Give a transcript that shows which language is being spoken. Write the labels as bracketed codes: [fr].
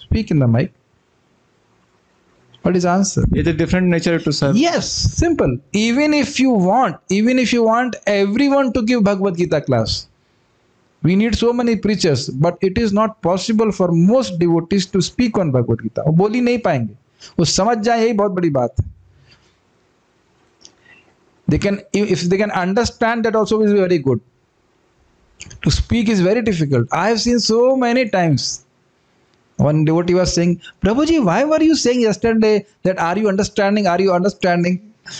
[en] Speak in the mic. What is answer? It's a different nature to serve. Yes, simple. Even if you want everyone to give Bhagavad Gita class, we need so many preachers, but it is not possible for most devotees to speak on Bhagavad Gita. [hi] वो बोली नहीं पाएंगे. वो समझ जाए यही बहुत बड़ी बात. [en] they can, if they can understand, that also is very good. To speak is very difficult. I have seen so many times. One devotee was saying, Prabhuji, why were you saying yesterday that are you understanding?